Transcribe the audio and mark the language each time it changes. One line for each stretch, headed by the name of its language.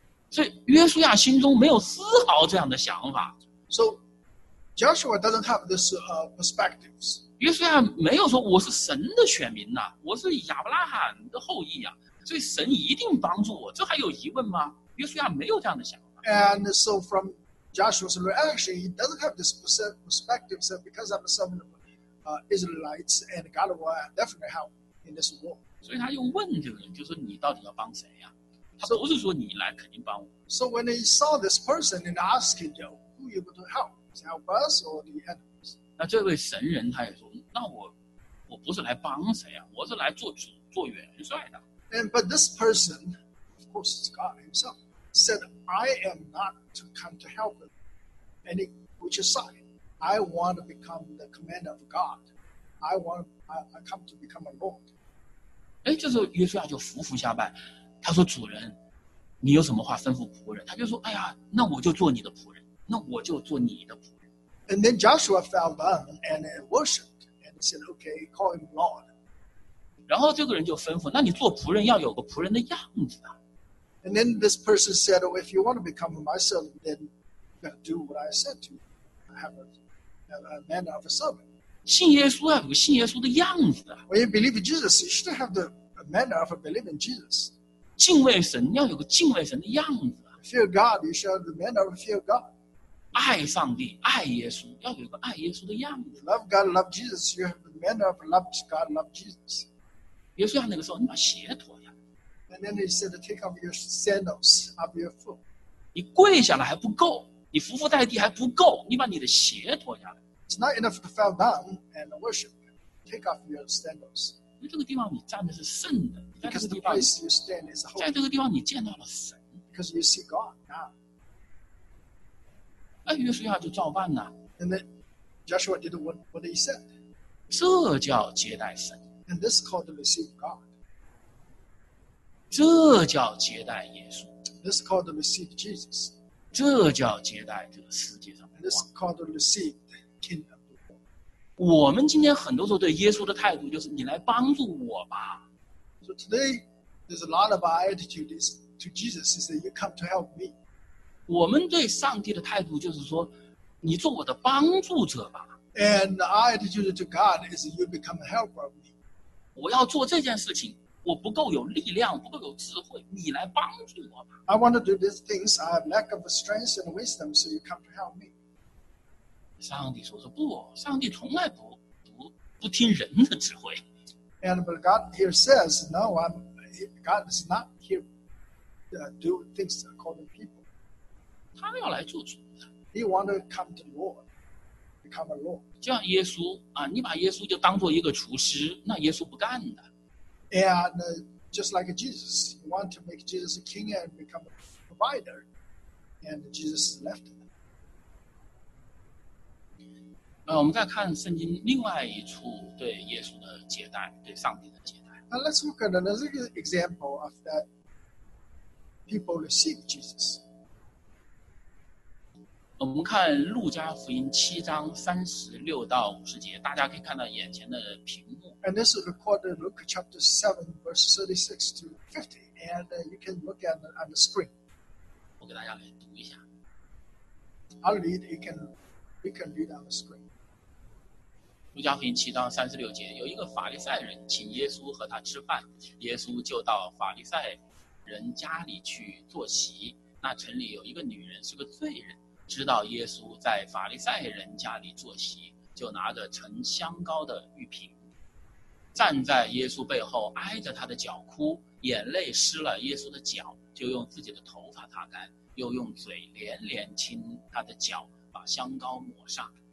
Chinese: 所以约书亚心中没有丝毫这样的想法。
English: So,Joshua doesn't have this perspectives.
Chinese: 约书亚没有说我是神的选民呐、啊，我是亚伯拉罕的后裔呀、啊，所以神一定帮助我，这还有疑问吗？约书亚没有这样的想法。
English: And so from Joshua's reaction, he doesn't have this perspective. So because I'm a son of Israelites, and God will definitely help in this war.
Chinese: 所以他又问这个人，就是你到底要帮谁呀、啊？他不是说你来肯定帮我。
English: So when he saw this person and asked him, "Who are you going to help?" Help us or the enemies.
Chinese: 那这位神人他也说，那我不是来帮谁啊，我是来做元帅的。
English: And but this person, of course, it's God himself, said, "I am not to come to help him. And he, which side? I want to become the commander of God. I come to become a lord."
Chinese: 哎，这时候约书亚就伏伏下拜，他说：“主人，你有什么话吩咐仆人？”他就说：“哎呀，那我就做你的仆人。” 那我就做你的仆人。
English: And then Joshua fell down and worshipped and said, "Okay, call him Lord."
Chinese: 然后这个人就吩咐，那你做仆人要有个仆人的样子啊。
English: And then this person said, "Oh, if you want to become my servant, then do what I said to you. Have a manner of a servant."
Chinese: 信耶稣要有个信耶稣的样子啊。
English: When you believe in Jesus, you should have the manner of a believer in Jesus.
Chinese: 敬畏神要有个敬畏神的样子啊。
English: Fear God, you should have the manner of a fear God.
Chinese: 爱上帝，爱耶稣，要有个爱耶稣的样子。
English: Love God, love Jesus. You have the manner of love God, love Jesus.
Chinese: 耶稣亚那个时候，你把鞋脱下来。
English: And then he said, "Take off your sandals, off your foot."
Chinese: 你跪下来还不够，你伏伏在地还不够，你把你的鞋脱下来。
English: It's not enough to fall down and worship. Take off your sandals.
Chinese: 因为这个地方你站的是圣的，
English: Because the place you stand is holy.
Chinese: 在这个地方你见到了神。
English: Because you see God now.
Chinese: 哎，约书亚就照办了。
English: And then Joshua did what he said.
Chinese: 这叫接待神。
English: And this is called receive God.
Chinese: 这叫接待耶稣。
English: This is called receive Jesus.
Chinese: 这叫接待这个世界上的。
English: And this is called receive the kingdom.
Chinese: 我们今天很多时候对耶稣的态度就是你来帮助我吧。
English: So today, there's a lot of our attitude to Jesus is that you come to help me.
Chinese: 我们对上帝的态度就是说，你做我的帮助者吧。
English: And our attitude to God is you become a helper of me.
Chinese: 我要做这件事情，我不够有力量，不够有智慧，你来帮助我吧。
English: I want to do these things. I have lack of strength and wisdom, so you come to help me.
Chinese: 上帝说不，上帝从来不听人的智慧。
English: And but God here says no. God is not here to do things according to people.
Chinese: 他要来做主的。
English: He want to come to the Lord. become a Lord.
Chinese: 就像耶稣啊，你把耶稣就当做一个厨师，那耶稣不干的。
English: And just like Jesus, he wanted to make Jesus a king and become a provider, and Jesus left him.
Chinese: 我们再看圣经另外一处对耶稣的接待，对上帝的接待。
English: Now let's look at another example of that people received Jesus.
Chinese: 我们看路加福音七章三十六到五十节，大家可以看到眼前的屏幕。
English: And this is recorded in Luke chapter 7, verse 36 to 50, and you can look at it on the screen.
Chinese: 我给大家来读一下。
English: I'll read, you can read on the screen.
Chinese: 路加福音七章三十六节，有一个法利赛人请耶稣和他吃饭，耶稣就到法利赛人家里去坐席。那城里有一个女人是个罪人。知道耶稣在法利赛人家里坐席，就拿着盛香膏的玉瓶，站在耶稣背后挨着他的脚哭，眼泪湿了耶稣的脚，就用自己的头发擦干，又用嘴连连亲他的脚，把香膏抹上。